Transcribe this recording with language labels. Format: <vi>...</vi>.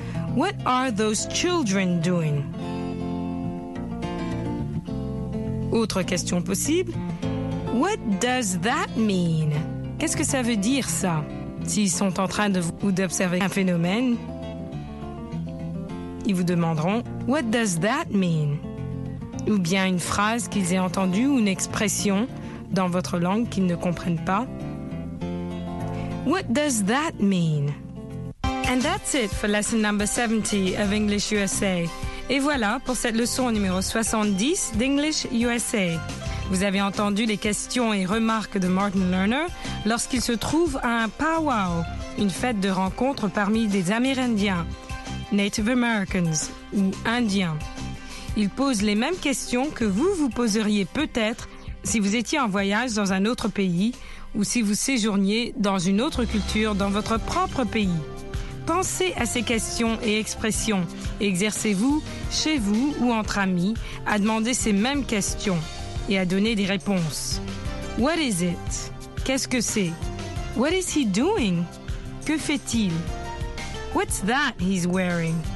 <en>« What are those children doing?</en> <fr>» Autre question possible, «</fr> <en>What does that mean?</en> <fr>» Qu'est-ce que ça veut dire, ça, s'ils sont en train de vous d'observer un phénomène? Ils vous demanderont «</fr> <en>What does that mean ?»</en> <fr>ou bien une phrase qu'ils aient entendue ou une expression dans votre langue qu'ils ne comprennent pas.</fr> <en>« What does that mean ?» And that's it for lesson number 70 of English USA.</en> <fr>Et voilà pour cette leçon numéro 70 d'English USA. Vous avez entendu les questions et remarques de Martin Lerner lorsqu'il se trouve à un powwow, une fête de rencontre parmi des Amérindiens, Native Americans ou Indiens. Il pose les mêmes questions que vous vous poseriez peut-être si vous étiez en voyage dans un autre pays ou si vous séjourniez dans une autre culture dans votre propre pays. Pensez à ces questions et expressions. Exercez-vous, chez vous ou entre amis, à demander ces mêmes questions. Et à donner des réponses.</fr> <en>What is it?</en> <fr>Qu'est-ce que c'est?</fr> <en>What is he doing?</en> <fr>Que fait-il?</fr> <en>What's that he's wearing?</en>